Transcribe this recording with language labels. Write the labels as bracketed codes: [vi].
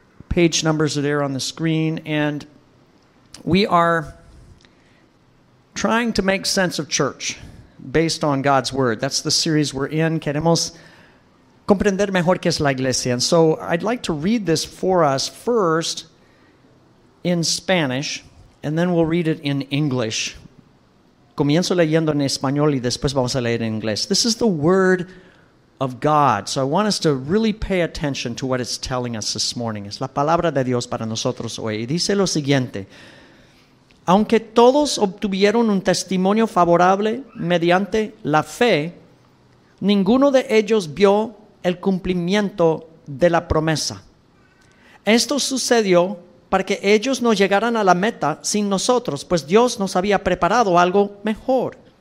[en] Page numbers are there on the screen, and we are trying to make sense of church based on God's Word. That's the series we're in. [es] Queremos comprender mejor qué es la iglesia. [en] And so I'd like to read this for us first in Spanish, and then we'll read it in English. [es] Comienzo leyendo en español y después vamos a leer en inglés. [en] This is the Word of God. So I want us to really pay attention to what it's telling us this morning. [es] Es la palabra de Dios para nosotros hoy. Y dice lo siguiente. Aunque todos obtuvieron un testimonio favorable mediante la fe, ninguno de ellos vio el cumplimiento de la promesa. Esto sucedió para que ellos no llegaran a la meta sin nosotros, pues Dios nos había preparado algo mejor.